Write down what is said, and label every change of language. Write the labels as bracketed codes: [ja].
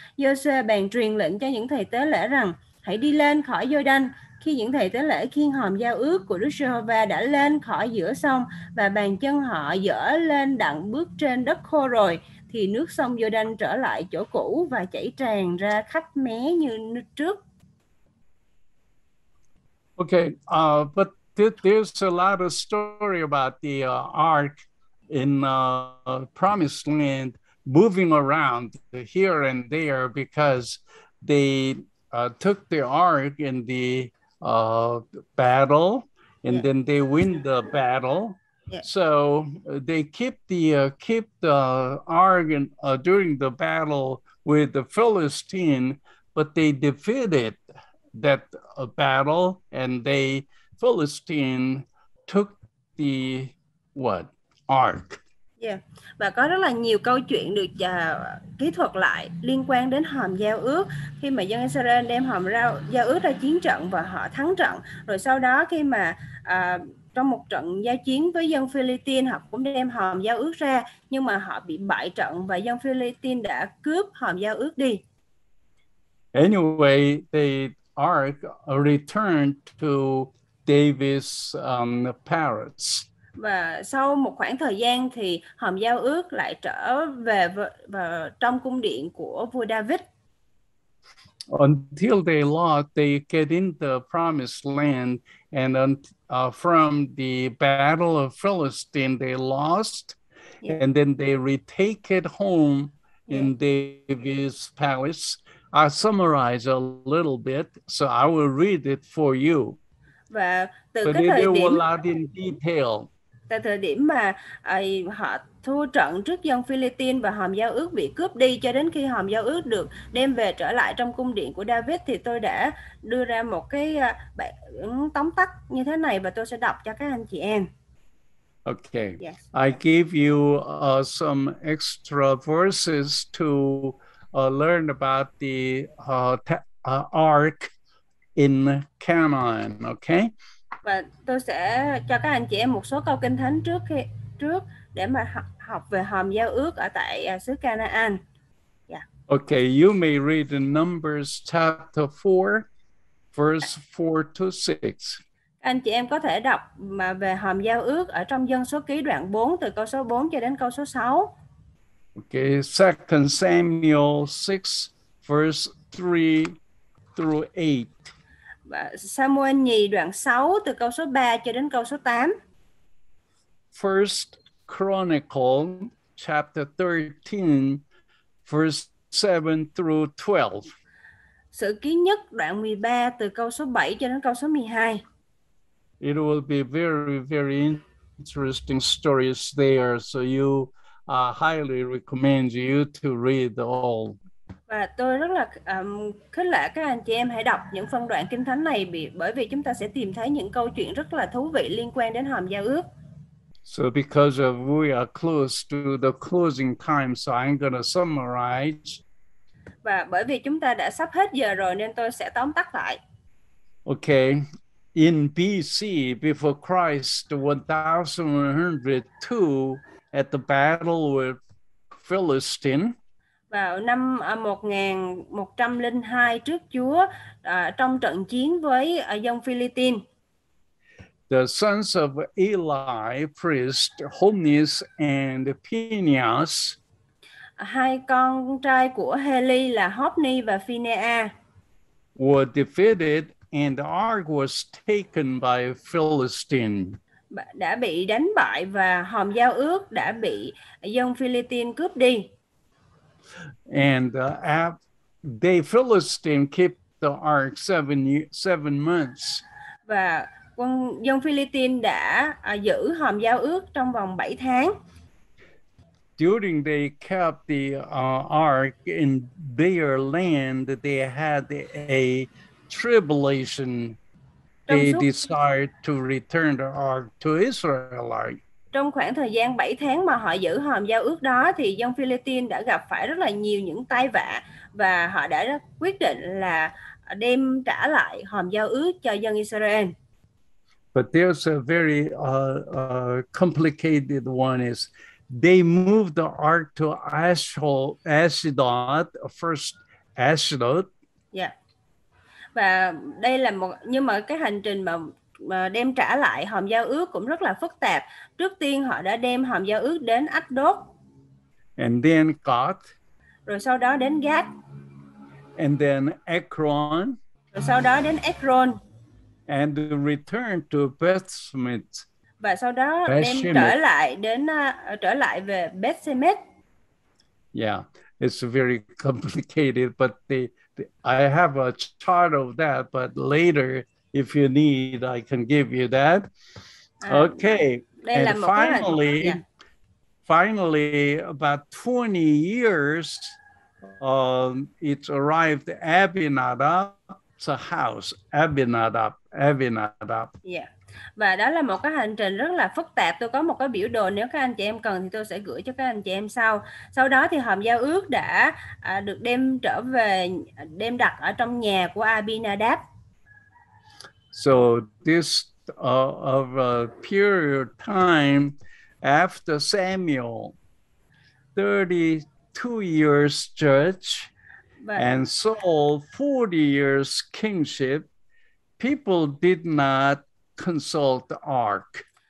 [vi] Giô-suê bèn truyền lệnh cho những thầy tế lễ rằng: hãy đi lên khỏi Giô-đanh. Khi những thầy tế lễ khiêng hòm giao ước của Đức Giê-hô-va đã lên khỏi giữa sông và bàn chân họ dỡ lên đặng bước trên đất khô rồi, thì nước sông Giô-đanh trở lại chỗ cũ và chảy tràn ra khắp mé như trước. [en] Okay, but there's a lot of story about the ark in promised land moving around here and there because they took the ark in the battle and then they win the battle. So they keep the ark in, during the battle with the Philistine, but they defeated that battle and they Philistine took the what ark. [vi] Yeah, và có rất là nhiều câu chuyện được kỹ thuật lại liên quan đến hòm giao ước. Khi mà dân Israel đem hòm giao ước ra chiến trận và họ thắng trận, rồi sau đó khi mà trong một trận giao chiến với dân Philistine, họ cũng đem hòm giao ước ra, nhưng mà họ bị bại trận và dân Philistine đã cướp hòm giao ước đi. [en] Anyway, the ark returned to Davis parents. [vi] Và sau một khoảng thời gian thì hòm giao ước lại trở về vào trong cung điện của vua David. [en] Until they lost, they get in the promised land, and from the battle of Philistine they lost, and then they retake it home in Davis palace. I summarize a little bit, so I will read it for you. [vi] Và từ [en] But [vi] cái thời điểm [en] lot in detail. [vi] Từ thời điểm mà họ thua trận trước dân Philistine và hòm giao ước bị cướp đi cho đến khi hòm giao ước được đem về trở lại trong cung điện của David, thì tôi đã đưa ra một cái bản tóm tắt như thế này và tôi sẽ đọc cho các anh chị em. [en] Okay. Yes. I give you some extra verses to learn about the ark in Canaan, okay? [vi] Và tôi sẽ cho các anh chị em một số câu kinh thánh trước khi, trước để mà học về hòm giao ước ở tại xứ Canaan. [en] Yeah. Okay, you may read the Numbers chapter 4 verse 4 to 6. [vi] Anh chị em có thể đọc mà về hòm giao ước ở trong Dân Số Ký đoạn 4 từ câu số 4 cho đến câu số 6. [en] Okay, 2 Samuel 6 verse 3 through 8. [vi] Samuel nhì đoạn 6 từ câu số 3 cho đến câu số 8. [en] First Chronicle chapter 13 verse 7 through 12. [vi] Sự ký nhất đoạn 13 từ câu số 7 cho đến câu số 12. [en] It will be very very interesting stories there, so you highly recommend you to read all. [vi] Và tôi rất là khích lệ các anh chị em hãy đọc những phân đoạn kinh thánh này bởi vì chúng ta sẽ tìm thấy những câu chuyện rất là thú vị liên quan đến hòm giao ước. [en] So because of we are close to the closing time, so I'm going to summarize. [vi] Và bởi vì chúng ta đã sắp hết giờ rồi nên tôi sẽ tóm tắt lại. [en] Okay, in BC before Christ, 1102 at the battle with Philistine. [vi] Vào năm 1102 trước Chúa, trong trận chiến với dân Philistine. [en] The sons of Eli, priest Hophnis and Phinehas. [vi] Hai con trai của Heli là Hophni và Phinehas. [en] Were defeated and the ark was taken by Philistine. [vi] Đã bị đánh bại và hòm giao ước đã bị dân Philistine cướp đi. [en] And the Philistine kept the ark seven months. [vi] Và quân dân Philippines đã giữ hòm giao ước trong vòng 7 tháng. [en] During they kept the ark in their land, they had a tribulation. They decided to return the ark to Israel. [vi] Trong khoảng thời gian 7 tháng mà họ giữ hòm giao ước đó thì dân Philippines đã gặp phải rất là nhiều những tai vạ và họ đã quyết định là đem trả lại hòm giao ước cho dân Israel. [en] But there's a very complicated one is they moved the ark to Ashdod, first Ashdod. Yeah. [vi] Và đây là một nhưng mà cái hành trình mà đem trả lại hòm giao ước cũng rất là phức tạp. Trước tiên họ đã đem hòm giao ước đến Ashdod. [en] And then Gat. [vi] Rồi sau đó đến Gat. [en] And then Ekron. [vi] Rồi sau đó đến Ekron. [en] And return to Beth Shemesh. [vi] Và sau đó đem trở lại đến trở lại về Beth Shemesh. [en] Yeah, it's very complicated, but I have a chart of that, but later, if you need, I can give you that. Okay, and finally, finally, about 20 years, it arrived Abinadab's house, Abinadab. [vi] Yeah, và đó là một cái hành trình rất là phức tạp. Tôi có một cái biểu đồ, nếu các anh chị em cần thì tôi sẽ gửi cho các anh chị em sau. Sau đó thì hòm giao ước đã được đem trở về, đem đặt ở trong nhà của Abinadab. [en] So this of a period of time after Samuel, 32 years judge and Saul 40 years kingship, people did not consult the ark.